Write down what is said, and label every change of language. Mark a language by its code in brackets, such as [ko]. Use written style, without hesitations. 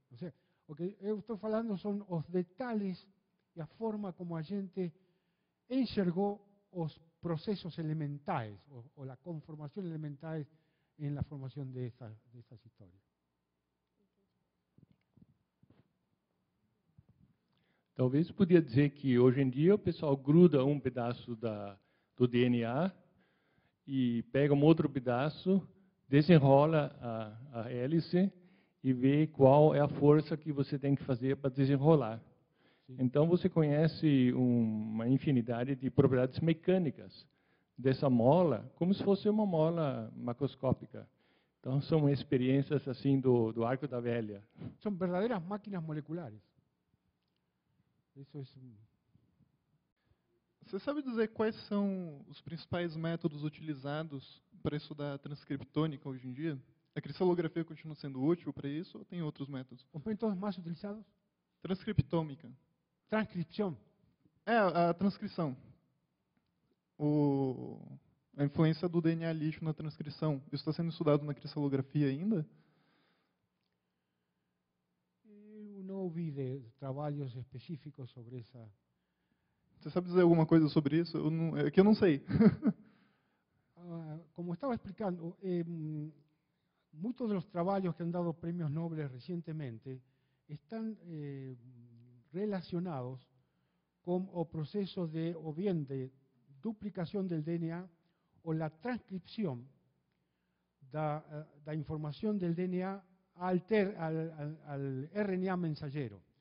[es] O sea, lo que yo estoy hablando son los detalles y la forma como la gente enxergó los procesos elementales o la conformación elemental en la formación de estas historias. [pt] Talvez podia dizer que hoje em dia o pessoal gruda um pedaço do DNA e pega um outro pedaço, desenrola a hélice e vê qual é a força que você tem que fazer para desenrolar. Sim. Então você conhece uma infinidade de propriedades mecânicas dessa mola, como se fosse uma mola macroscópica. Então são experiências assim do arco da velha. São verdadeiras máquinas moleculares. Você sabe dizer quais são os principais métodos utilizados para estudar a transcriptônica hoje em dia? A cristalografia continua sendo útil para isso ou tem outros métodos? Os métodos mais utilizados? Transcriptômica. Transcrição? A transcrição. A influência do DNA liso na transcrição. Isso está sendo estudado na cristalografia ainda? [es] No vi de trabajos específicos sobre esa. ¿Usted sabe decir alguna cosa sobre eso? Que yo no sé. Como estaba explicando, muchos de los trabajos que han dado premios Nobel recientemente están relacionados con o procesos de, o bien de duplicación del DNA o la transcripción de información del DNA al RNA mensajero.